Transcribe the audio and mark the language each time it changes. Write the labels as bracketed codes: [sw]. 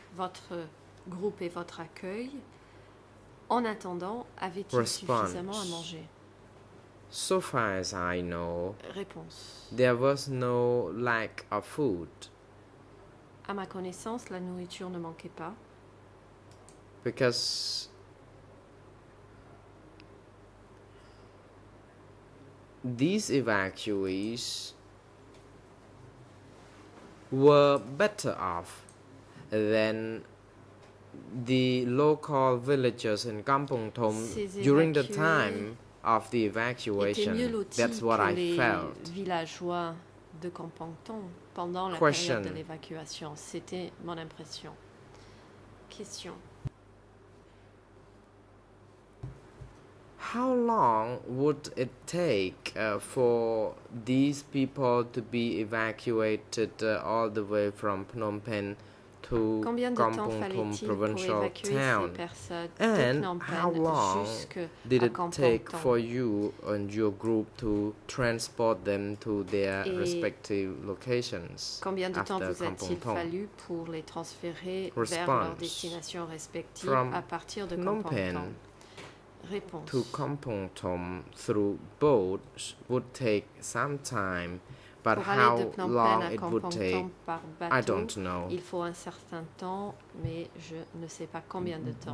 [fr] Votre groupe et votre accueil, en attendant, avaient-ils suffisamment à manger? [en] So far as I know, [fr] réponse. [en] There was no lack of food. [fr] À ma connaissance, la nourriture ne manquait pas. [en] Because these evacuees were better off than the local villagers in Kampong Thom during the time of the evacuation. That's what I felt. [fr] Villageois de Kampong Thom pendant la période de l'évacuation. C'était mon impression. Question. [en] How long would it take for these people to be evacuated all the way from Phnom Penh to Kampong Thom provincial town? And how long did it take for you and your group to transport them to their respective locations? [fr] Combien de temps vous a-t-il fallu pour les transférer vers leurs destinations respectives à partir de Kampong Thom? Réponse. [en] To Kampong Thom through boat would take some time, but how long it would take, I don't know. [fr] Il faut un certain temps, mais je ne sais pas combien de temps.